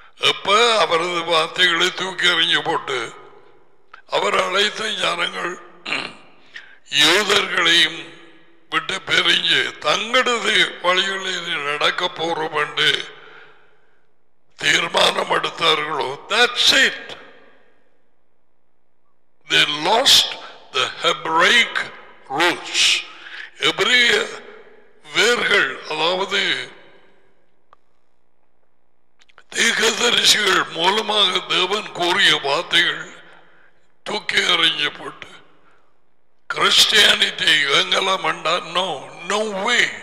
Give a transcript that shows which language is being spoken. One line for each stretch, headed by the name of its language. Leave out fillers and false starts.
Tamil: எப்ப அவரது வார்த்தைகளை தூக்கி எறிஞ்சு போட்டு அவர் அழைத்த ஜனங்கள் யூதர்களையும் விட்டு பிரிஞ்சு தங்களது வழிகளில் நடக்க போறோம் என்று தீர்மானம் எடுத்தார்களோ,
English: That's it. They lost the Hebraic roots.
Tamil: எபிரேய வேர்கள், அதாவது தீர்க்கதரிசிகள் மூலமாக தேவன் கூறிய வார்த்தைகள் தூக்கி எறிஞ்சப்பட்டு கிறிஸ்டியானிட்டி எங்கெல்லாம் வேண்டா,
English: No no way.